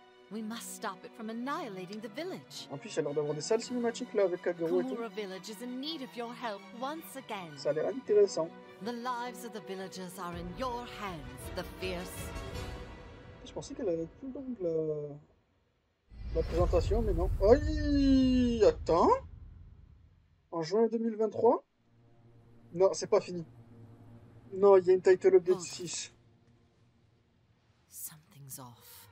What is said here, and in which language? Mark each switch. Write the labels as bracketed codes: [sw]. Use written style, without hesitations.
[en] We must stop it from annihilating the village. [fr] En plus, il a l'air d'avoir des salles cinématiques là avec Kagero et tout. [en] Kumura Village is in need of your help once again. [fr] Ça a l'air intéressant. [en] The lives of the villagers are in your hands, the fierce. [fr] Je pensais qu'elle avait plus longue la présentation, mais non. Aïe, attends. En juin 2023. Non, c'est pas fini. Non, il y a une title update 6. [en] Something's off.